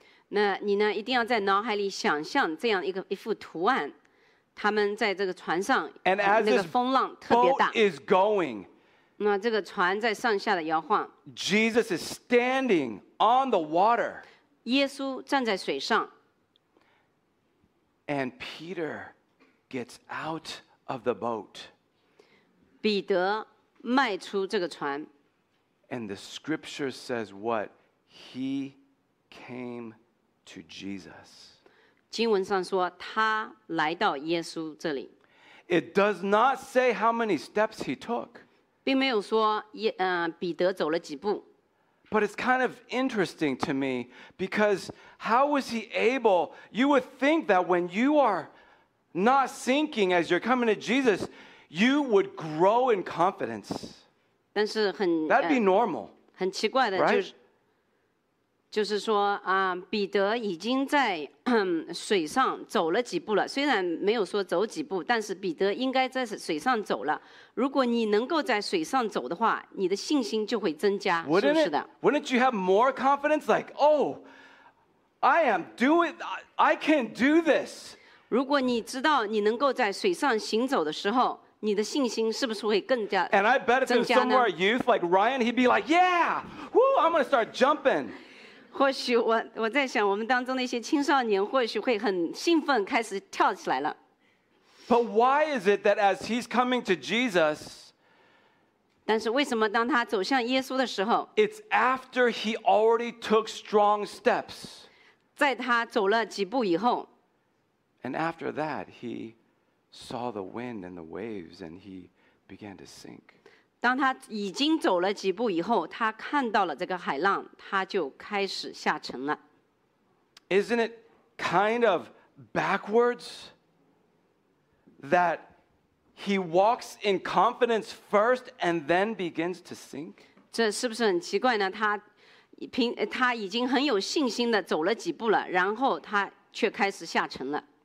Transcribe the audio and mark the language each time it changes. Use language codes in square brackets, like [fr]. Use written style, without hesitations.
[zh] 那你呢，一定要在脑海里想象这样一幅图案，他们在这个船上，那个风浪特别大。 [en] And as this boat is going, [zh] 那这个船在上下的摇晃。 [en] Jesus is standing on the water. [zh] 耶稣站在水上。 [en] And Peter gets out of the boat. [zh] 彼得迈出这个船。 [en] And the scripture says what? He came to Jesus. [zh] 经文上说他来到耶稣这里。 [en] It does not say how many steps he took. [zh] 并没有说彼得走了几步。 [en] But it's kind of interesting to me because how was he able? You would think that when you are not sinking as you're coming to Jesus, you would grow in confidence. [zh] 但是很 [en] That'd be normal. [zh] 很奇怪的、 [en] right? [zh] 就是说、彼得已经在水上走了几步了，虽然没有说走几步，但是彼得应该在水上走了。如果你能够在水上走的话，你的信心就会增加，是不是的？ [en] Wouldn't you have more confidence? Like, oh, I am doing, I can do this. [zh] 如果你知道你能够在水上行走的时候，你的信心是不是会更加增加呢？ [en] And I bet if it was some of our youth, like Ryan, he'd be like, yeah, woo, I'm going to start jumping. [zh] 或许 我在想我们当中的一些青少年或许会很兴奋开始跳起来了。 [en] But why is it that as he's coming to Jesus, [zh] 但是为什么当他走向耶稣的时候， [en] It's after he already took strong steps. [zh] 在他走了几步以后， [en] And after that, he saw the wind and the waves, and he began to sink. [zh] 当他已经走了几步以后，他看到了这个海浪，他就开始下沉了。 [en] Isn't it kind of backwards that he walks in confidence first and then begins to sink? [zh] 这是不是很奇怪呢？他已经很有信心的走了几步了，然后他却开始下沉了。